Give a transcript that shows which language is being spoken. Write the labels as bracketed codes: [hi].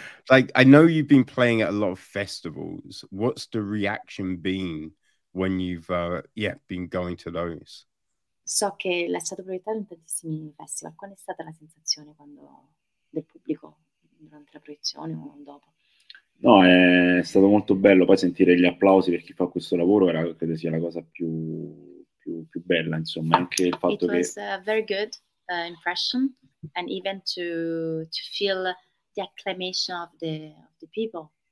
[en] Like, I know you've been playing at a lot of festivals. What's the reaction been when you've been going to those? [it] So che l'è stato proiettato in tantissimi festival. Qual è stata la sensazione quando del pubblico durante la proiezione o dopo? No, è stato molto bello poi sentire gli applausi per chi fa questo lavoro, era, credo sia la cosa più bella, insomma, anche il [en] It [it] fatto [en] was [it] che... [en] a very good impression, and even to feel the acclamation of the people.